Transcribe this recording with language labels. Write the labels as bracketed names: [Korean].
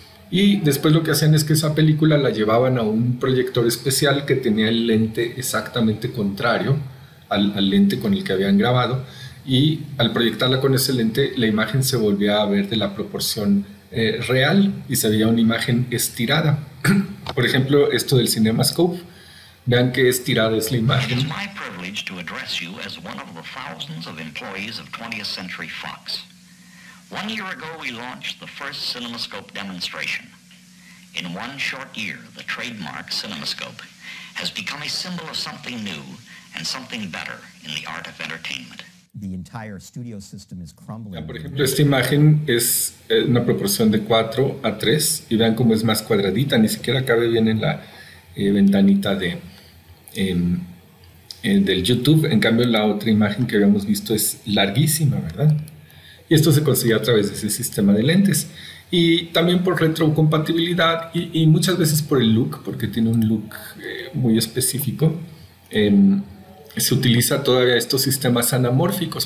[Spanish] Y después lo que hacían es que esa película la llevaban a un proyector especial que tenía el lente exactamente contrario al lente con el que habían grabado, y al proyectarla con ese lente la imagen se volvía a ver de la proporción real y se veía una imagen estirada. Por ejemplo, esto del CinemaScope, vean qué estirada es la imagen. Es mi privilegio hablarles como uno de los miles de empleados de Fox 20th Century. [English] One year ago, we launched the first CinemaScope demonstration. In one short year, the trademark CinemaScope has become a symbol of something new and something better in the art of entertainment. The entire studio system is crumbling. [Spanish] Ya, por ejemplo, esta imagen es una proporción de 4 a 3 y vean cómo es más cuadradita, ni siquiera cabe bien en la ventanita de del YouTube. En cambio, la otra imagen que habíamos visto es larguísima, ¿verdad? Y esto se conseguía a través de ese sistema de lentes. Y también por retrocompatibilidad y muchas veces por el look, porque tiene un look muy específico, se utiliza todavía estos sistemas anamórficos.